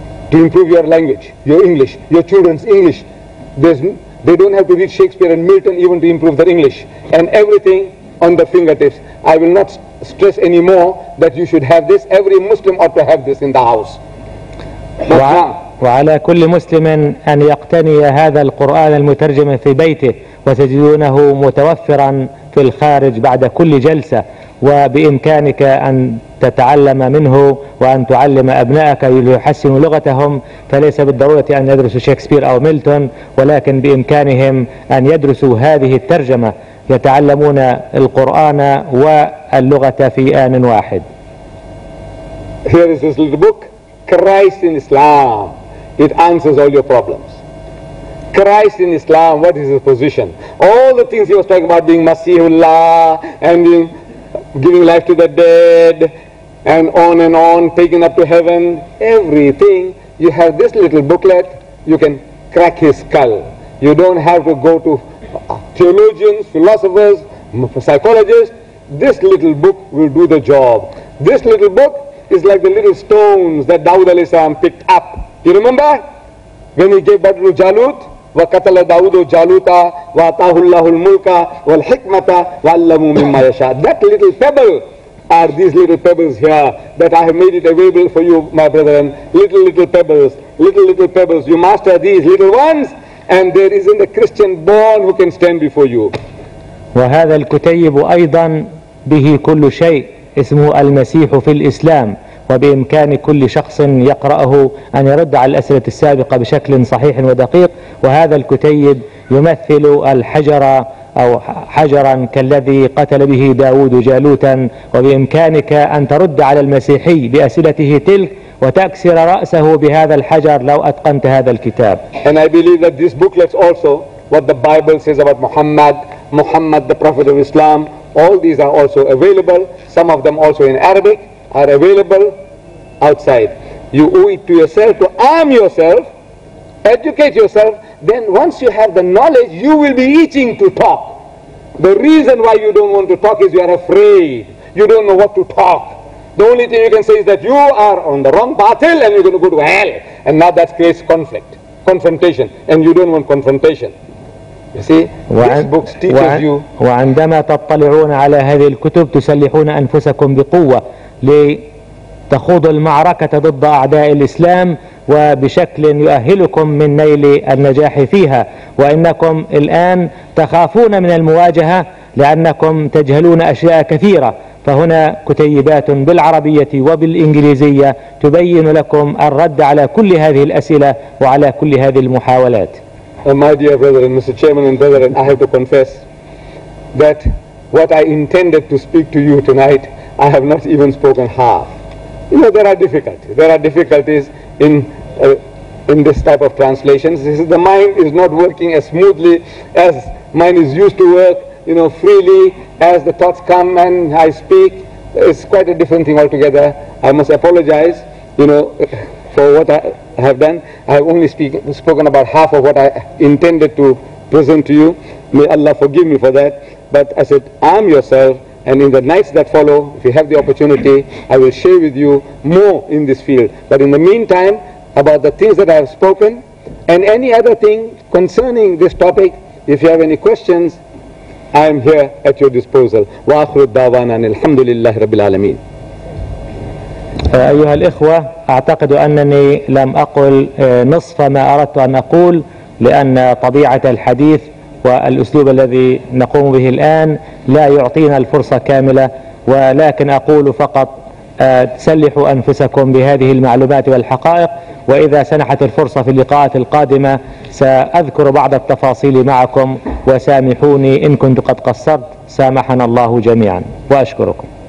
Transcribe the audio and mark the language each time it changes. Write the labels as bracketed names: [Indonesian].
[English] To improve your language, your English, your children's English, they don't have to read Shakespeare and Milton even to improve their English. And everything on the fingertips. I will not stress anymore that you should have this. Every Muslim ought to have this in the house. [Arabic] وعلى كل مسلم أن يقتني هذا القرآن المترجم في بيته وتجدونه متوفرا في الخارج بعد كل جلسة وبإمكانك أن تتعلم منه وأن تعلم أبنائك ليحسنوا لغتهم فليس بالضرورة أن يدرسوا شكسبير أو ميلتون ولكن بإمكانهم أن يدرسوا هذه الترجمة يتعلمون القرآن واللغة في آن واحد. [English] Here is this little book, Christ in Islam. It answers all your problems. Christ in Islam, what is his position? All the things he was talking about being Masihullah and being giving life to the dead and on, taking up to heaven, everything. You have this little booklet, you can crack his skull. You don't have to go to theologians, philosophers, psychologists. This little book will do the job. This little book is like the little stones that Dawud alayhi salam picked up. You remember? When he gave [Arabic] Badru Jalut, وَقَتَلَ دَاوُدُ جَالُوتَ وَأَطَاهُ اللَّهُ الْمُلْكَ وَالْحِكْمَةَ وَعَلَّمُوا مِمَّا يَشَاءَ. [English] That little pebble are these little pebbles here that I have made it available for you, my brethren. Little pebbles, little pebbles. You master these little ones and there isn't a Christian born who can stand before you. [Arabic] وهذا الكتيب أيضا به كل شيء اسمه المسيح في الإسلام وبإمكان كل شخص يقرأه أن يرد على الأسئلة السابقة بشكل صحيح ودقيق وهذا الكتيب يمثل الحجر أو حجرا كالذي قتل به داود جالوتا وبإمكانك أن ترد على المسيحي بأسئلته تلك وتكسر رأسه بهذا الحجر لو أتقنت هذا الكتاب. [English] And I believe that these booklets also what the Bible says about Muhammad, Muhammad the Prophet of Islam, all these are also available. Some of them also in Arabic are available outside. You owe it to yourself to arm yourself, educate yourself. Then once you have the knowledge, you will be itching to talk. The reason why you don't want to talk is you are afraid. You don't know what to talk. The only thing you can say is that you are on the wrong path and you're going to go to hell. And now that creates conflict, confrontation. And you don't want confrontation. You see, this book teaches you. [Arabic] وعندما تطلعون على هذه الكتب تسلحون أنفسكم بقوة لتخوض المعركة ضد أعداء الإسلام وبشكل يؤهلكم من نيل النجاح فيها. وإنكم الآن تخافون من المواجهة لأنكم تجهلون أشياء كثيرة. فهنا كتيبات بالعربية وبالإنجليزية تبين لكم الرد على كل هذه الأسئلة وعلى كل هذه المحاولات. [English] My dear brethren, Mr. Chairman and brethren, I have to confess that what I intended to speak to you tonight, I have not even spoken half. You know, there are difficulties. There are difficulties in this type of translations. This is, the mind is not working as smoothly as mine is used to work, you know, freely as the thoughts come and I speak. It's quite a different thing altogether. I must apologize, you know, for what I have done. I have only spoken about half of what I intended to present to you. May Allah forgive me for that. But I said, arm yourself, and in the nights that follow, if you have the opportunity, I will share with you more in this field. But in the meantime, about the things that I have spoken and any other thing concerning this topic, if you have any questions, I am here at your disposal. [Arabic] Wa akhiru da'wana alhamdulillahi rabbil alameen. أيها الإخوة، أعتقد أنني لم أقل نصف ما أردت أن أقول، لأن طبيعة الحديث والأسلوب الذي نقوم به الآن لا يعطينا الفرصة كاملة، ولكن أقول فقط تسلحوا أنفسكم بهذه المعلومات والحقائق، وإذا سنحت الفرصة في اللقاءات القادمة سأذكر بعض التفاصيل معكم، وسامحوني إن كنت قد قصرت، سامحنا الله جميعا وأشكركم.